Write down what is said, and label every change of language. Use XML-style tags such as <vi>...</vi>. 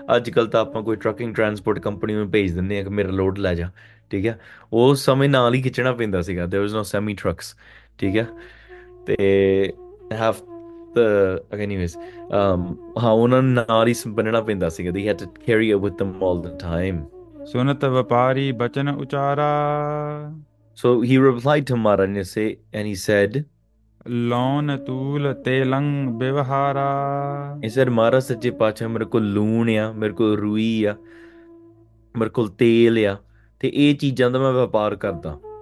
<pa>ਅੱਜ ਕੱਲ੍ਹ ਤਾਂ ਆਪਾਂ ਕੋਈ ਟਰੱਕਿੰਗ ਟਰਾਂਸਪੋਰਟ ਕੰਪਨੀ ਨੂੰ ਭੇਜ ਦਿੰਦੇ ਆ ਕਿ ਮੇਰਾ ਲੋਡ ਲੈ ਜਾ, ਠੀਕ ਆ। ਉਹ ਸਮੇਂ ਨਾਲ ਹੀ ਖਿੱਚਣਾ ਪੈਂਦਾ ਸੀਗਾ,</pa> <en>there was no semi trucks,</en> <pa>ਠੀਕ ਆ।</pa> <en>ਤੇ have anyways,</en> <pa>ਹਾਂ ਉਹਨਾਂ ਨੂੰ ਨਾਲ ਹੀ ਸੰਭੰਨਣਾ ਪੈਂਦਾ ਸੀਗਾ,</pa> <en>They had to carry up with them all the time.</en> <pa>ਸੁਨਤ ਵਪਾਰੀ ਬਚਨ ਉਚਾਰਾ,</pa> <en>So he replied to Maharani say, and he said,</en> <pa>loan ਤੂਲ ਤੇਲੰ ਬਿਵਹਾਰਾ।</pa> <en>he said,</en> <pa>ਮਹਾਰਾਜ ਸੱਚੇ ਪਾਤਸ਼ਾਹ ਮੇਰੇ ਕੋਲ ਲੂਣ ਆ, ਮੇਰੇ ਕੋਲ ਰੂਈ ਆ, ਮੇਰੇ ਕੋਲ ਤੇਲ ਆ, ਤੇ ਇਹ ਚੀਜ਼ਾਂ ਦਾ ਮੈਂ ਵਪਾਰ ਕਰਦਾ।</pa>